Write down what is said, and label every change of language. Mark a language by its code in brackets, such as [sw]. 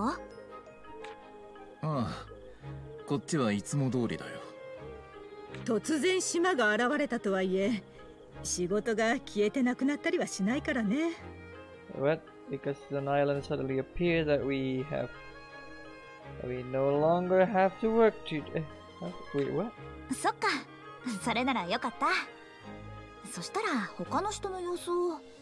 [ja] ああ、こっちはいつも通りだよ。突然島が現れたとはいえ、仕事が消えてなくなったりはしないからね。 [en] What? Because an island suddenly appeared that we have, that we no longer have to work to. Wait, what? [ja] そっか、それならよかった。そしたら他の人の様子を。